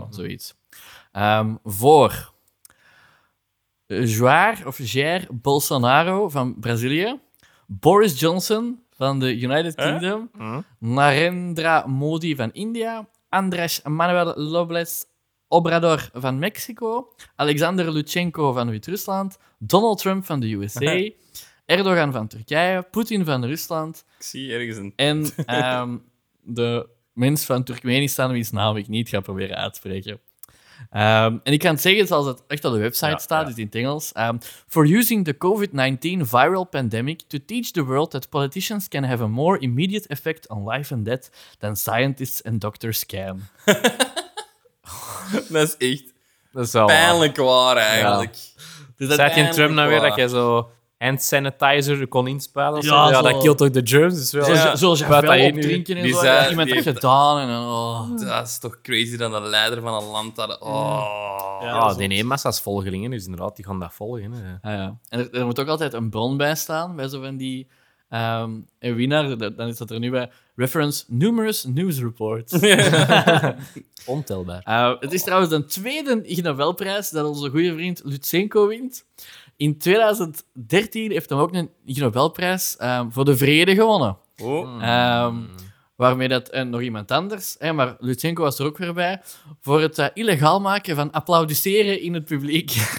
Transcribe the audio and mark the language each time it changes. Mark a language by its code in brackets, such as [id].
[nl] Oh. Zoiets. Voor Jair of Jair Bolsonaro van Brazilië, Boris Johnson van de United Kingdom, Narendra Modi van India, Andrés Manuel López Obrador van Mexico, Alexander Lutsenko van Wit-Rusland, Donald Trump van de USA... Erdogan van Turkije, Poetin van Rusland. Ik zie ergens een... En de mens van Turkmenistan, wiens naam ik niet ga proberen uitspreken. En ik kan het zeggen zoals het echt op de website staat, is in het Engels. [en] For using the COVID-19 viral pandemic to teach the world that politicians can have a more immediate effect on life and death than scientists and doctors can. [nl] Dat is echt pijnlijk waar, eigenlijk. Ja. Dus zat je in Trump nou weer dat je zo... En sanitizer kon inspelen. Ja, dat kilt ook de germs. Dus wel, zoals je wel opdrinken en zo. Iemand heeft gedaan. Dat is toch crazy dat de leider van een land had. Oh. Ja, ah, DNA-massa's volgelingen, dus inderdaad, die gaan dat volgen. Hè. Ah, ja. En er moet ook altijd een bron bij staan, bij zo van die een winnaar, dan is dat er nu bij. [en] Reference numerous news reports. [nl] Ontelbaar. Het is trouwens de tweede Ig Nobelprijs dat onze goede vriend Lutsenko wint. In 2013 heeft hij ook een Ig Nobelprijs voor de vrede gewonnen. Oh. Waarmee dat nog iemand anders, hè, maar Lutsenko was er ook weer bij, voor het illegaal maken van applaudisseren in het publiek.